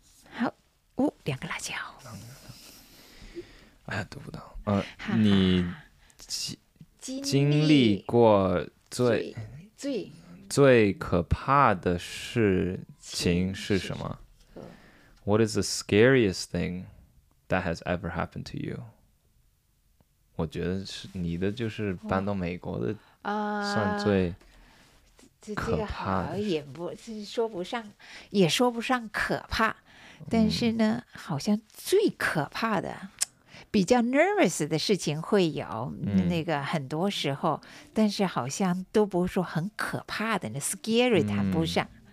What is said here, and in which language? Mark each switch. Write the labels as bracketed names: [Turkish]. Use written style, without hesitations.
[Chinese] 好哦，两个辣椒，哎呀读不到你经历过最可怕的事情是什么？ [English] What is the scariest thing that has ever happened to you？ [Chinese] 我觉得是你的，就是搬到美国的算最可怕，这个也不说不上，也说不上可怕，但是呢，好像最可怕的、比较 nervous 的事情会有、那个很多时候，但是好像都不是说很可怕的，那 scary 谈不上。